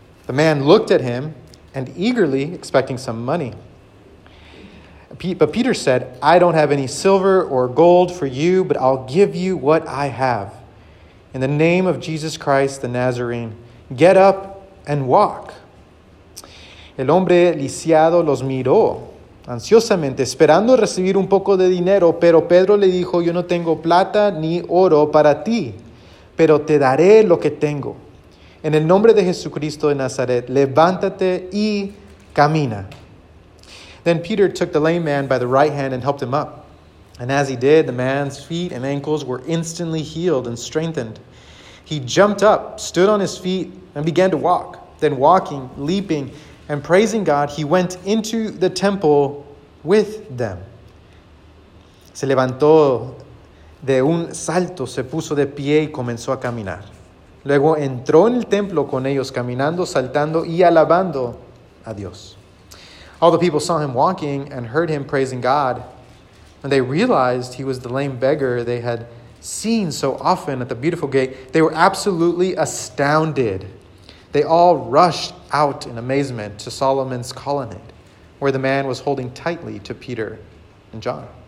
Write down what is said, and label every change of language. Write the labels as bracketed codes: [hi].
[en] The man looked at him and eagerly expecting some money. But Peter said, "I don't have any silver or gold for you, but I'll give you what I have. In the name of Jesus Christ the Nazarene, get up and walk." [es] El hombre lisiado los miró ansiosamente, esperando recibir un poco de dinero, pero Pedro le dijo, "Yo no tengo plata ni oro para ti, pero te daré lo que tengo. En el nombre de Jesucristo de Nazaret, levántate y camina." [en] Then Peter took the lame man by the right hand and helped him up. And as he did, the man's feet and ankles were instantly healed and strengthened. He jumped up, stood on his feet, and began to walk. Then walking, leaping, and praising God, he went into the temple with them. [es] Se levantó de un salto, se puso de pie y comenzó a caminar. Luego entró en el templo con ellos, caminando, saltando y alabando a Dios. [en] All the people saw him walking and heard him praising God. And they realized he was the lame beggar they had seen so often at the Beautiful Gate. They were absolutely astounded. They all rushed out in amazement to Solomon's colonnade, where the man was holding tightly to Peter and John.